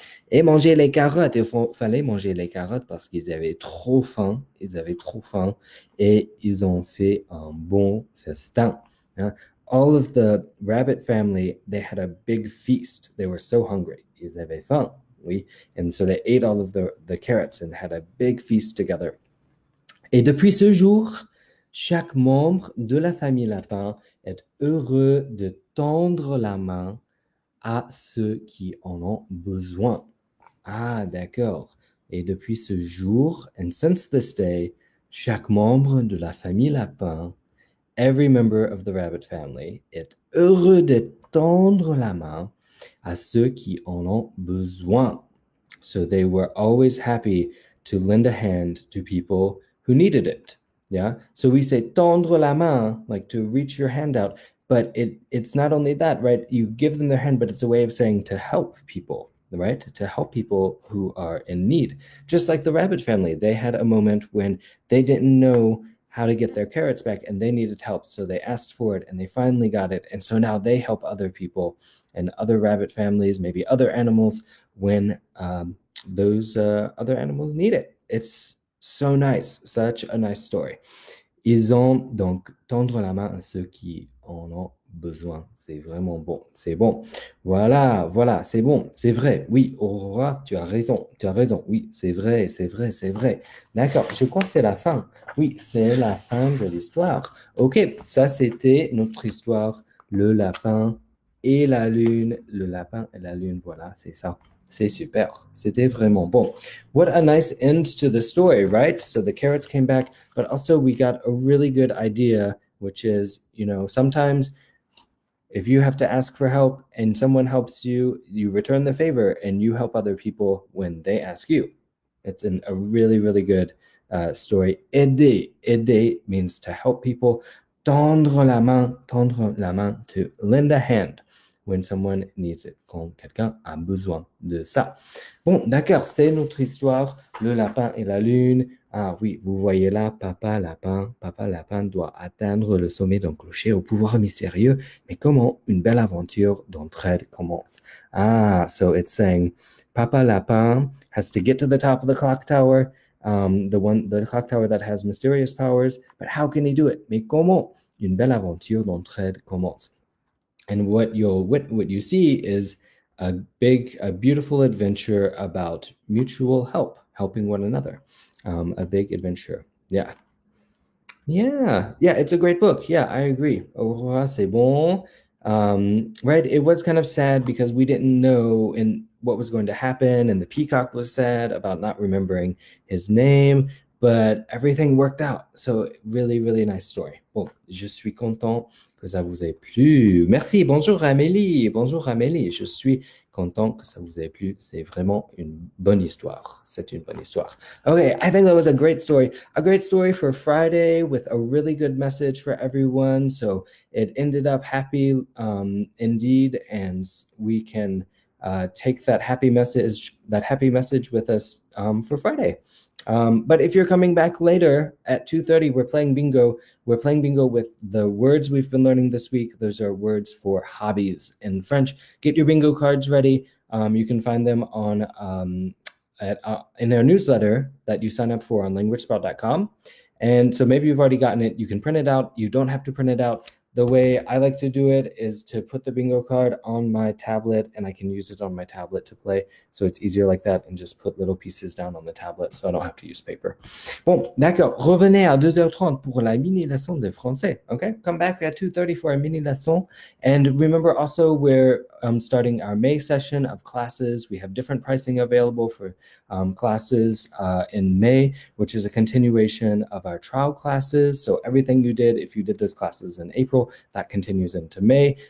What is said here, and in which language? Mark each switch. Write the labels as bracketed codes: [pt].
[fr] Et manger les carottes. Il fallait manger les carottes parce qu'ils avaient trop faim. Ils avaient trop faim. Et ils ont fait un bon festin. [en] All of the rabbit family, they had a big feast. They were so hungry. [fr] Ils avaient faim. Oui. [en] And so they ate all of the carrots and had a big feast together. [fr] Et depuis ce jour, chaque membre de la famille Lapin est heureux de tendre la main à ceux qui en ont besoin. Ah, d'accord. Et depuis ce jour, [en] and since this day, [fr] chaque membre de la famille Lapin, [en] every member of the rabbit family, [fr] est heureux de tendre la main à ceux qui en ont besoin. [en] So they were always happy to lend a hand to people who needed it. Yeah. So we say [fr] tendre la main, [en] like to reach your hand out. But it's not only that, right? You give them their hand, but it's a way of saying to help people, right? To help people who are in need. Just like the rabbit family, they had a moment when they didn't know how to get their carrots back and they needed help. So they asked for it and they finally got it. And so now they help other people and other rabbit families, maybe other animals, when those other animals need it. It's so nice, such a nice story. [fr] Ils ont donc tendre la main à ceux qui en ont besoin. C'est vraiment bon, c'est bon. Voilà, voilà, c'est bon, c'est vrai. Oui, Aurora, tu as raison. Oui, c'est vrai, c'est vrai, c'est vrai. D'accord, je crois que c'est la fin. Oui, c'est la fin de l'histoire. Ok, ça c'était notre histoire, le lapin et la lune. Le lapin et la lune, voilà, c'est ça. C'est super. C'était vraiment bon. [en] What a nice end to the story, right? So the carrots came back, but also we got a really good idea, which is, you know, sometimes if you have to ask for help and someone helps you, you return the favor and you help other people when they ask you. It's a really, really good story. Aider. Aider means to help people. [fr] Tendre la main, [en] to lend a hand. When someone needs it, [fr] quand quelqu'un a besoin de ça. Bon, d'accord, c'est notre histoire, le lapin et la lune. Ah oui, vous voyez là, papa lapin doit atteindre le sommet d'un clocher au pouvoir mystérieux. Mais comment une belle aventure d'entraide commence? [en] Ah, so it's saying, papa lapin has to get to the top of the clock tower, the clock tower that has mysterious powers, but how can he do it? [fr] Mais comment une belle aventure d'entraide commence? [en] And what you see is a beautiful adventure about mutual help, helping one another. A big adventure. Yeah. Yeah. Yeah, it's a great book. Yeah, I agree. [fr] Aurora, c'est bon. [en] Right, it was kind of sad because we didn't know in what was going to happen, and the peacock was sad about not remembering his name, but everything worked out. So really, really nice story. [fr] Bon, je suis content. Que ça vous ait plu. Merci. Bonjour Amélie. Je suis content que ça vous ait plu. C'est vraiment une bonne histoire. C'est une bonne histoire. [en] Okay, I think that was a great story. A great story for Friday with a really good message for everyone. So it ended up happy indeed, and we can take that happy message with us for Friday. But if you're coming back later at 2:30, we're playing bingo. We're playing bingo with the words we've been learning this week. Those are words for hobbies in French. Get your bingo cards ready. You can find them on in our newsletter that you sign up for on languagespot.com. And so maybe you've already gotten it. You can print it out. You don't have to print it out. The way I like to do it is to put the bingo card on my tablet, and I can use it on my tablet to play. So it's easier like that, and just put little pieces down on the tablet so I don't have to use paper. [fr] Bon, d'accord. Revenez à 2h30 pour la mini-leçon de français, okay? [en] Come back at 2:30 for a mini-leçon. And remember also, we're starting our May session of classes. We have different pricing available for classes in May, which is a continuation of our trial classes. So everything you did, if you did those classes in April, that continues into May.